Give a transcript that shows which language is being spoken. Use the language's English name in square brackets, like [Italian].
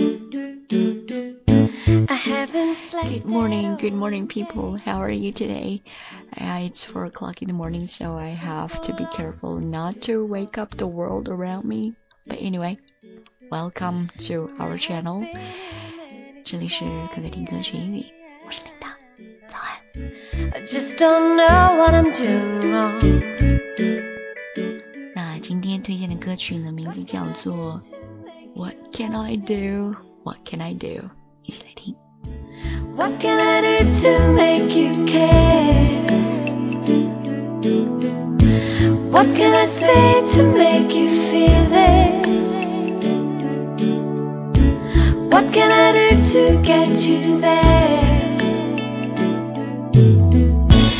[English] Good morning, good morning, people. How are you today? It's 4 o'clock in the morning, so I have to be careful not to wake up the world around me. But anyway, welcome to our channel. [Chinese] 这里是可可听歌曲英语，我是琳达，早安。 [English] I just don't know what I'm doing wrong. [Chinese] 那今天推荐的歌曲呢，名字叫做 What Can I Do? [English] What Can I Do? [Chinese] 一起来听。 [English] What can I do to make you care? What can I say to make you feel this? What can I do to get you there?